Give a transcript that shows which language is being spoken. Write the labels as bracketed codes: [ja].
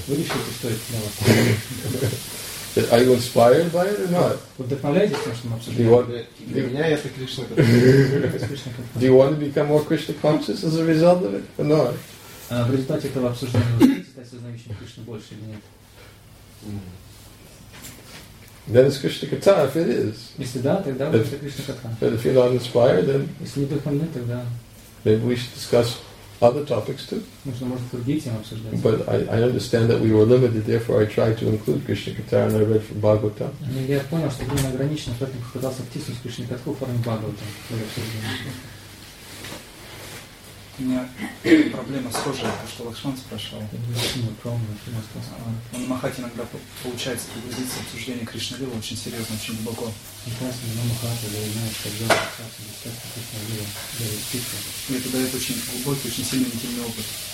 [ru] Вы решите, что это для вас. [en] Are you inspired by it or not? [ru] Вдохновляетесь тем, что мы обсуждаем? Для меня это Кришна Кафе. [en] Do you want to become more Krishna conscious as a result of it or not? [ru] В результате этого обсуждения вы хотите стать сознающим Кришну больше или нет? [en] Then it's Krishna Katha if it is. But if you're not inspired, then maybe we should discuss other topics too. But I understand that we were limited, therefore I tried to include Krishna Katha and I read from Bhagavatam. [ru] У меня проблема схожая, то, что Лакшман спрашивал. Он Махат иногда получается погрузиться в обсуждение Кришна Лилы очень серьезно, очень глубоко. Это дает очень глубокий, очень сильный интимный опыт.